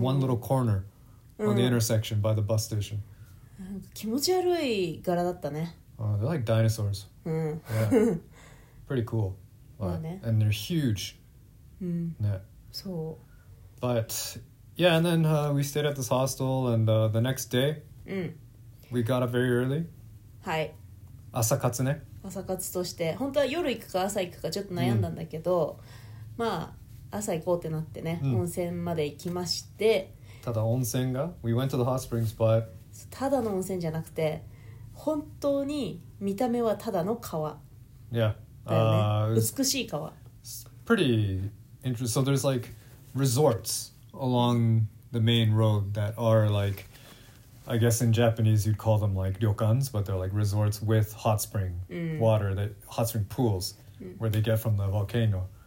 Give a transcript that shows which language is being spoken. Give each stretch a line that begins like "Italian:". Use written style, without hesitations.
English: one little corner、mm. on the intersection by the bus station、they're like dinosaurs、 mm. yeah. pretty cool but, and they're huge、 mm. yeah. so. but yeah and then、we stayed at this hostel and、the next day、 mm. we got up very early
Japanese: はい、朝活ね朝活として本当は夜行くか朝行くかちょっと悩んだんだけど、うん、まあ朝行こうってなってね、うん、温泉まで行きましてただ温泉が
English: We went to the hot springs but
Japanese: ただの温泉じゃなくて本当に見た目はただの川
English: Yeah、
Japanese: ね、美しい川
English: Pretty interesting So there's like resorts along the main road that are likeI guess in Japanese you'd call them like ryokans, but they're like resorts with hot spring、 mm. water, that, hot spring pools、 mm. where they get from the volcano.